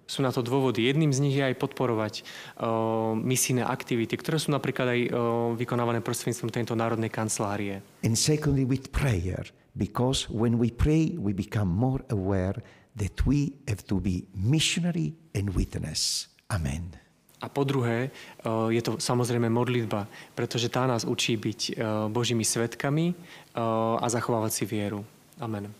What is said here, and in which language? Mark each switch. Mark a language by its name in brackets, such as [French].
[Slovak] Sú na to dôvody. Jedným z nich je aj podporovať misijné aktivity, ktoré sú napríklad aj vykonávané prostredníctvom tejto národnej kancelárie. [English] And secondly, with prayer. Because when we pray, we become more aware that we have to be missionary and witness. Amen. [Slovak] A po druhé, je to samozrejme modlitba, pretože tá nás učí byť Božími svedkami a zachovávať si vieru. Amen.